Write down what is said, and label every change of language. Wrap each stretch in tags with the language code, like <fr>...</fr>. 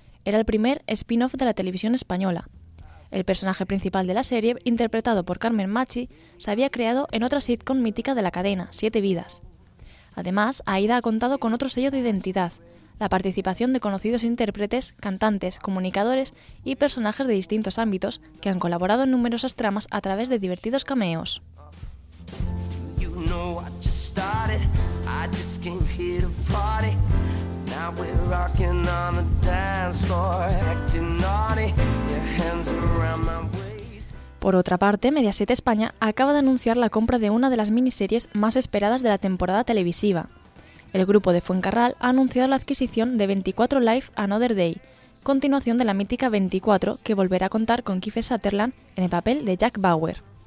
<es>Era el primer spin-off de la televisión española. El personaje principal de la serie, interpretado por Carmen Machi, se había creado en otra sitcom mítica de la cadena, Siete Vidas. Además, Aída ha contado con otro sello de identidad, la participación de conocidos intérpretes, cantantes, comunicadores y personajes de distintos ámbitos que han colaborado en numerosas tramas a través de divertidos cameos.</es> <en>You know I just started, I just came here to party. Now we're rocking on the dance floor, acting naughty, your hands around my waist.</en> <es>Por otra parte, Mediaset España acaba de anunciar la compra de una de las miniseries más esperadas de la temporada televisiva. El grupo de Fuencarral ha anunciado la adquisición de 24 Life Another Day, continuación de la mítica 24, que volverá a contar con Kiefer Sutherland en el papel de Jack Bauer.</es>